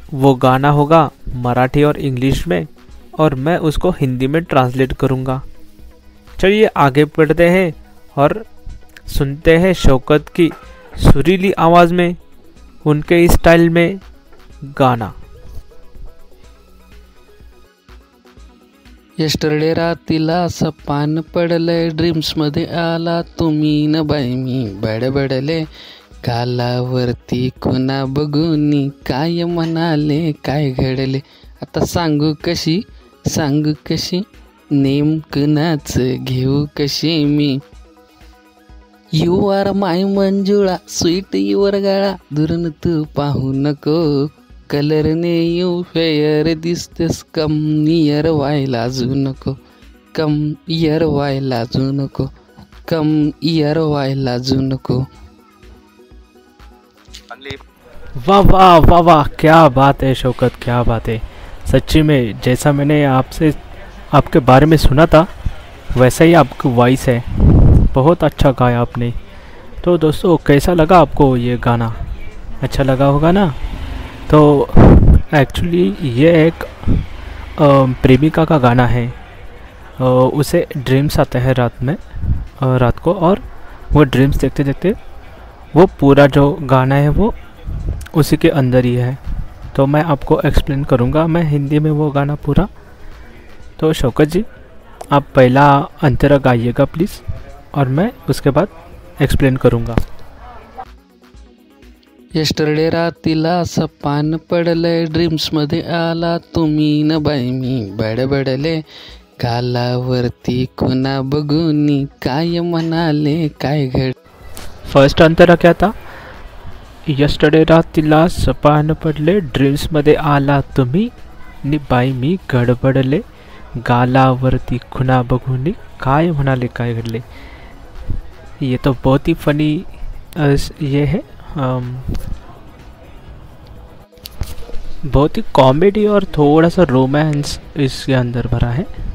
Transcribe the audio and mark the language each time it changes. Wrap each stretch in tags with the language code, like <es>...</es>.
<hi>वो गाना होगा मराठी और इंग्लिश में, और मैं उसको हिंदी में ट्रांसलेट करूँगा। चलिए आगे बढ़ते हैं और सुनते हैं शौकत की सुरीली आवाज में, उनके स्टाइल में गाना।</hi> <mr>यस्टरडे रातीला सपान पडले, ड्रीम्स मध्ये आला तुम्ही न बाई मी बडबडले। कालावरती कुना बघूनी काय म्हणाले काय घडले, आता सांगू कशी नेमकं नाच घेऊ कशी मी।</mr> <en>you are my</en> <mr>Manjula sweet your गळा, दुरून तू पाहू नको कलर ने यू फेअर दिसतेस, कम इयर व्हायला जू नको, कम इयर व्हायला जू नको, कम इयर व्हायला जू नको।</mr> <hi>वाह वाह वाह वाह, क्या बात है शौकत, क्या बात है। सच्ची में जैसा मैंने आपसे आपके बारे में सुना था वैसा ही आपकी वॉइस है। बहुत अच्छा गाया आपने। तो दोस्तों, कैसा लगा आपको ये गाना? अच्छा लगा होगा ना। तो एक्चुअली ये एक प्रेमिका का गाना है। उसे ड्रीम्स आते हैं रात में, रात को, और वो ड्रीम्स देखते देखते वो पूरा जो गाना है वो उसी के अंदर ही है। तो मैं आपको एक्सप्लेन करूँगा मैं हिंदी में वो गाना पूरा। तो शौकत जी, आप पहला अंतरा गाइएगा प्लीज़, और मैं उसके बाद एक्सप्लेन करूंगा।</hi> <mr>यस्टरडे रातीला सपान पडले, ड्रीम्स मध्ये आला तुम्ही न बाई मी बडबडले। कालावरती कुना बघूनी काय म्हणाले काय घड।</mr> <hi>फर्स्ट अंतरा क्या था?</hi> <mr>यस्टरडे रातीला सपान पडले, ड्रीम्स मध्ये आला तुम्ही नि बाई मी गडबडले। गालावरती खुना बघूनी काय म्हणाले काय घडले।</mr> <hi>ये तो बहुत ही फनी ये है, बहुत ही कॉमेडी और थोड़ा सा रोमांस इसके अंदर भरा है।</hi>